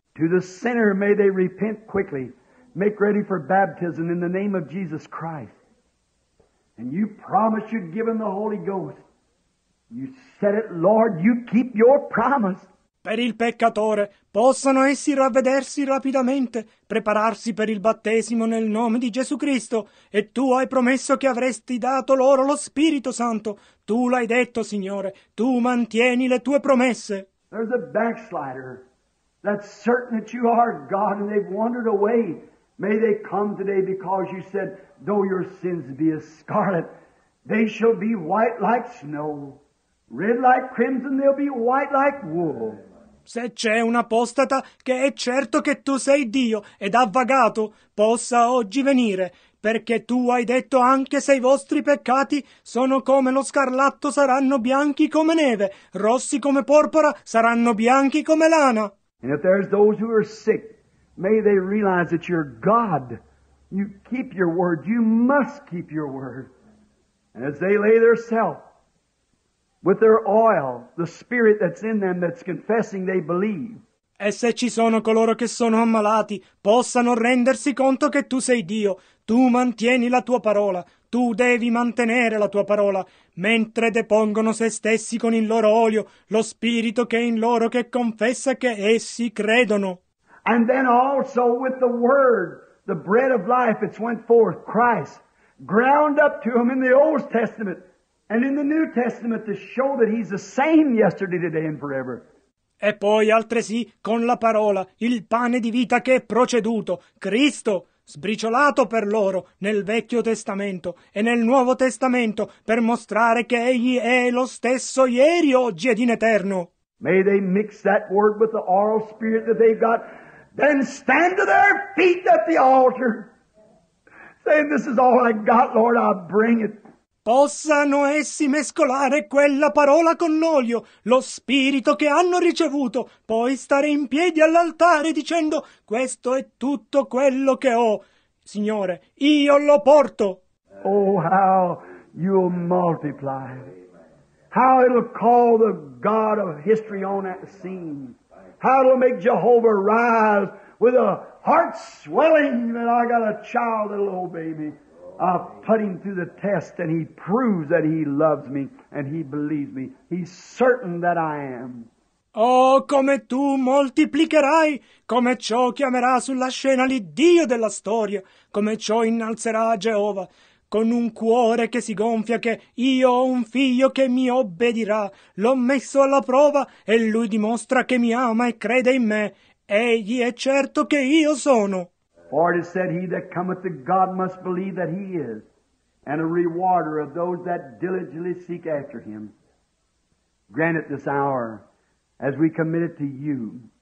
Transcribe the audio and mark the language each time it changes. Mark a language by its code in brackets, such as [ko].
[en] To the sinner may they repent quickly, make ready for baptism in the name of Jesus Christ. And you promise you'd give him the Holy Ghost. You said it, Lord, you keep your promise. [it] Per il peccatore possano essi ravvedersi rapidamente, prepararsi per il battesimo nel nome di Gesù Cristo, e tu hai promesso che avresti dato loro lo Spirito Santo. Tu l'hai detto, Signore, tu mantieni le tue promesse. [en] There's a backslider that's certain that you are God and they've wandered away. May they come today because you said, though your sins be as scarlet, they shall be white like snow. Red like crimson, they'll be white like wool. [it] Se c'è un apostata che è certo che tu sei Dio ed ha vagato, possa oggi venire, perché tu hai detto anche se i vostri peccati sono come lo scarlatto, saranno bianchi come neve, rossi come porpora, saranno bianchi come lana. [en] And if there's those who are sick, may they realize that you're God. You keep your word. You must keep your word. And as they lay their self with their oil, the spirit that's in them that's confessing they believe. [it] E se ci sono coloro che sono ammalati, possano rendersi conto che tu sei Dio. Tu mantieni la tua parola. Tu devi mantenere la tua parola. Mentre depongono se stessi con il loro olio, lo spirito che è in loro che confessa che essi credono. [en] And then also with the word, the bread of life, it's went forth, Christ, ground up to him in the Old Testament. And in the New Testament to show that he's the same yesterday, today and forever. [it] E poi altresì con la parola, il pane di vita che è proceduto, Cristo, sbriciolato per loro nel Vecchio Testamento e nel Nuovo Testamento per mostrare che egli è lo stesso ieri, oggi ed in eterno. [en] May they mix that word with the oral spirit that they've got, then stand to their feet at the altar. saying, this is all I got, Lord, I'll bring it. [it] Possano essi mescolare quella parola con l'olio, lo spirito che hanno ricevuto, poi stare in piedi all'altare dicendo, questo è tutto quello che ho. Signore, io lo porto. [en] Oh, how you'll multiply. How it'll call the God of history on that scene. How it'll make Jehovah rise with a heart swelling that I got a child, a little baby. I put him through the test and he proves that he loves me and he believes me. He's certain that I am. [it] Oh, come tu moltiplicherai, come ciò chiamerà sulla scena l'Iddio della storia, come ciò innalzerà Geova, con un cuore che si gonfia che io ho un figlio che mi obbedirà. L'ho messo alla prova e lui dimostra che mi ama e crede in me. Egli è certo che io sono. [en] For it is said, he that cometh to God must believe that he is, and a rewarder of those that diligently seek after him. Grant it this hour, as we commit it to you.